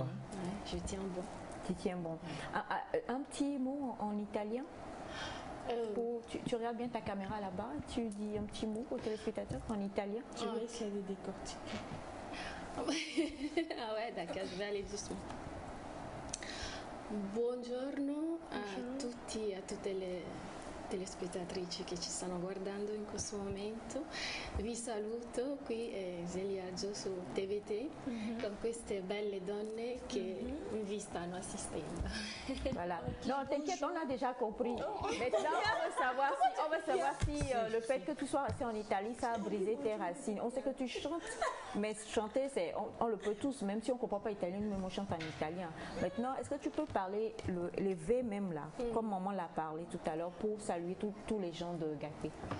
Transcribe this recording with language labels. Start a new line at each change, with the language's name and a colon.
French: Ouais, je tiens bon. Tu tiens bon. Un petit mot en italien tu regardes bien ta caméra là-bas. Tu dis un petit mot aux téléspectateurs en italien. Tu vois qu'il y a des décortiques. Ah ouais, d'accord, je vais aller doucement.
Italian: Buongiorno a tutti e a tutte le telespettatrici che ci stanno guardando in questo momento. Vi saluto, qui è Zélie Hadjo su TVT con queste belle donne che vi stanno assistendo.
French: Voilà. Okay, non, t'inquiète, bonjour. On a déjà compris. Maintenant, on veut savoir si le fait que tu sois resté en Italie, ça a brisé tes racines. On sait que tu chantes, mais chanter, on le peut tous, même si on ne comprend pas italien, mais on chante en italien. Maintenant, est-ce que tu peux parler les V même là, comme maman l'a parlé tout à l'heure, pour saluer tous les gens de Gapé?